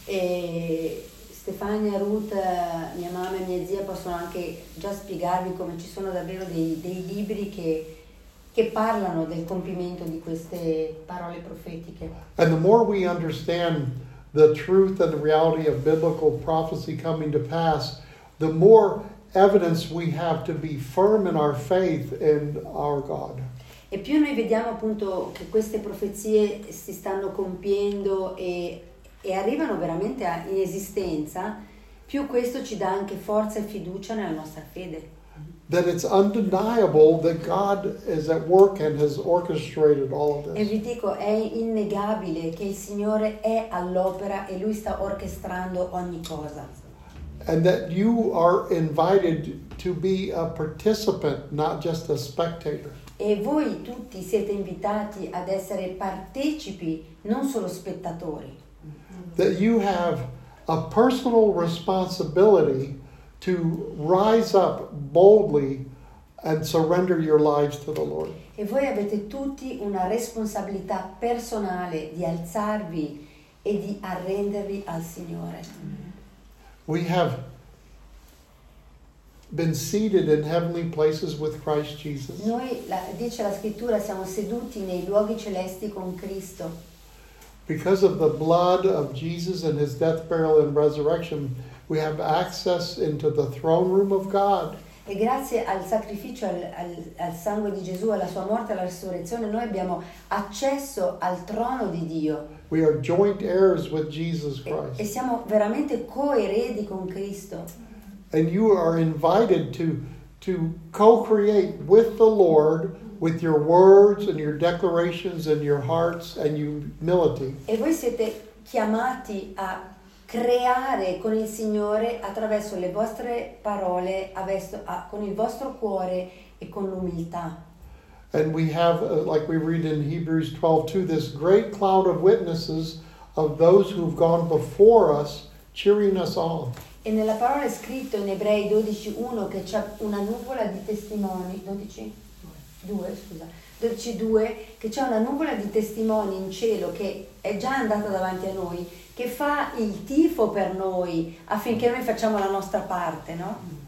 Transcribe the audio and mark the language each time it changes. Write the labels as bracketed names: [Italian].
[Italian] Stefania, Ruth, mia mamma e mia zia possono anche già spiegarvi come ci sono davvero dei libri che parlano del compimento di queste parole profetiche. [English] And the more we understand the truth and the reality of biblical prophecy coming to pass, the more evidence we have to be firm in our faith in our God. [Italian] E più noi vediamo appunto che queste profezie si stanno compiendo e arrivano veramente in esistenza, più questo ci dà anche forza e fiducia nella nostra fede. [English] That it's undeniable that God is at work and has orchestrated all of this. [Italian] E vi dico, è innegabile che il Signore è all'opera e Lui sta orchestrando ogni cosa. [English] And that you are invited to be a participant, not just a spectator. [Italian] E voi tutti siete invitati ad essere partecipi, non solo spettatori. [English] That you have a personal responsibility to rise up boldly and surrender your lives to the Lord. [Italian] E voi avete tutti una responsabilità personale di alzarvi e di arrendervi al Signore. [English] We have been seated in heavenly places with Christ Jesus. [Italian] Noi, dice la scrittura, siamo seduti nei luoghi celesti con Cristo. [English] Because of the blood of Jesus and his death, burial, and resurrection, we have access into the throne room of God. [Italian] E grazie al sacrificio, al sangue di Gesù, alla sua morte, alla risurrezione, noi abbiamo accesso al trono di Dio. [English] We are joint heirs with Jesus Christ. [Italian] E siamo veramente coeredi con Cristo. [English] And you are invited to co-create with the Lord, with your words and your declarations and your hearts and humility. [Italian] E voi siete chiamati a creare con il Signore attraverso le vostre parole, con il vostro cuore e con l'umiltà. [English] And we have, like we read in Hebrews 12:2, this great cloud of witnesses of those who've gone before us, cheering us on. [Italian] E nella parola è scritto in Ebrei 12:1 che c'è una nuvola di testimoni, 12:2, che c'è una nuvola di testimoni in cielo che è già andata davanti a noi, che fa il tifo per noi affinché noi facciamo la nostra parte, no?